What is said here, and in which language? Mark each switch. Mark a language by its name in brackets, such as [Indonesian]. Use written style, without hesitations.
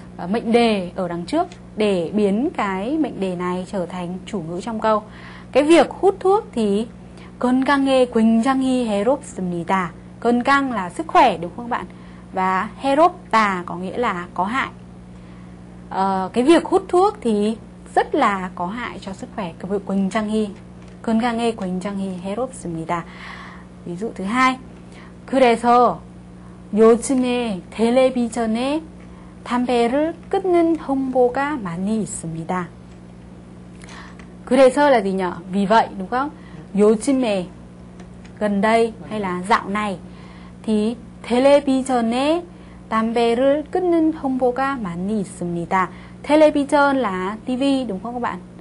[Vietnamese] mệnh đề ở đằng trước để biến cái mệnh đề này trở thành chủ ngữ trong câu. Cái việc hút thuốc thì [Korean] 건강에 굉장히 해롭습니다. [Vietnamese] 건강 là sức khỏe đúng không bạn? Và 해롭다 có nghĩa là có hại. Cái việc hút thuốc thì rất là có hại cho sức khỏe. [Korean] 굉장히 건강에 굉장히 해롭습니다. [Vietnamese] Ví dụ thứ hai. [Korean] 그래서 요즘에 텔레비전에 담배를 끊는 홍보가 많이 있습니다. [Vietnamese] 그래서 là gì nhỉ? Vì vậy đúng không? [Korean] 요즘에 [Vietnamese] gần đây hay là dạo này thì [Korean] 텔레비전에 담배를 끊는 홍보가 많이 있습니다. [Vietnamese] Television là TV đúng không các bạn?